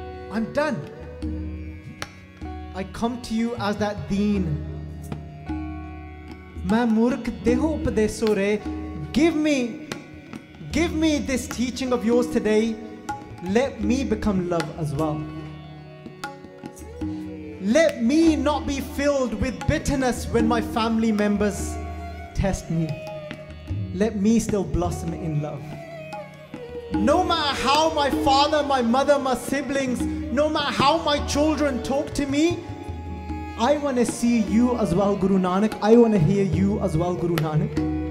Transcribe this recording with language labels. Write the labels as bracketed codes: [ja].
[en] I'm done. I come to you as that deen. [pa] मैं मूर्ख देहु उपदेसो रे. [en] Give me this teaching of yours today. Let me become love as well. Let me not be filled with bitterness when my family members test me. Let me still blossom in love. No matter how my father, my mother, my siblings, no matter how my children talk to me, I want to see you as well, Guru Nanak. I want to hear you as well, Guru Nanak.